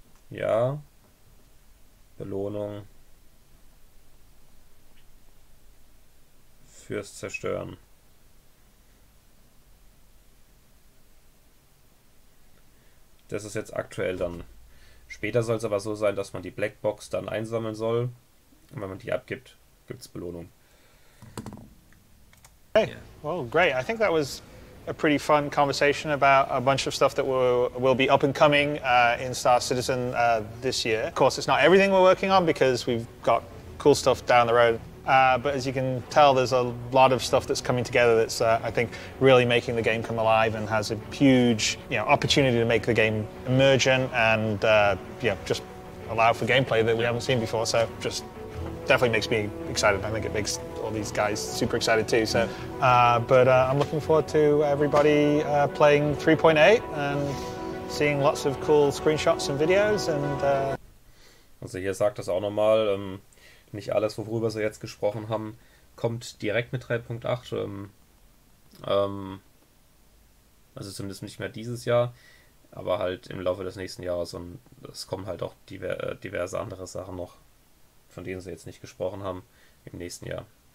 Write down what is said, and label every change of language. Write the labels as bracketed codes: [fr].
[de] Ja, Belohnung fürs Zerstören. Das ist jetzt aktuell dann. Später soll es aber so sein, dass man die Blackbox dann einsammeln soll. Und wenn man die abgibt, gibt es Belohnung. [en] Hey, well, great. I think that was a pretty fun conversation about a bunch of stuff that will be up and coming in Star Citizen this year. Of course, it's not everything we're working on because we've got cool stuff down the road. But as you can tell, there's a lot of stuff that's coming together that's, I think, really making the game come alive and has a huge, you know, opportunity to make the game emergent and, yeah, just allow for gameplay that we haven't seen before. So just definitely makes me excited. I think it makes all these guys super excited too. So, but I'm looking forward to everybody playing 3.8 and seeing lots of cool screenshots and videos. And [de] also hier sagt das auch nochmal. Nicht alles, worüber sie jetzt gesprochen haben, kommt direkt mit 3.8. Also zumindest nicht mehr dieses Jahr, aber halt im Laufe des nächsten Jahres. Und es kommen halt auch diverse andere Sachen noch, von denen sie jetzt nicht gesprochen haben, im nächsten Jahr.